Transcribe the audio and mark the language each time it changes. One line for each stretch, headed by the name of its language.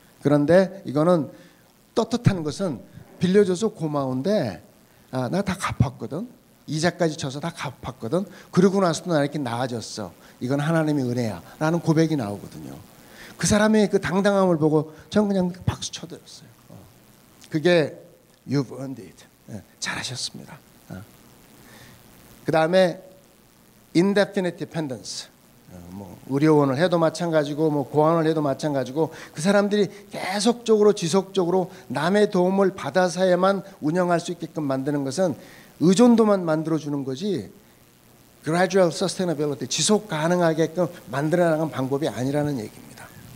Korean: 그런데 이거는 떳떳한 것은 빌려줘서 고마운데 나 다 갚았거든. 이자까지 쳐서 다 갚았거든. 그러고 나서도 나 이렇게 나아졌어. 이건 하나님의 은혜야. 라는 고백이 나오거든요. 그 사람의 그 당당함을 보고 전 그냥 박수 쳐드렸어요. 그게
English: You've earned it.
Korean: 잘하셨습니다. 그 다음에
English: Indefinite Dependence.
Korean: 뭐 의료원을 해도 마찬가지고 뭐 고아원을 해도 마찬가지고 그 사람들이 계속적으로 지속적으로 남의 도움을 받아서야만 운영할 수 있게끔 만드는 것은 의존도만 만들어주는 거지
English: gradual sustainability,
Korean: 지속 가능하게끔 만들어나가는 방법이 아니라는 얘기입니다.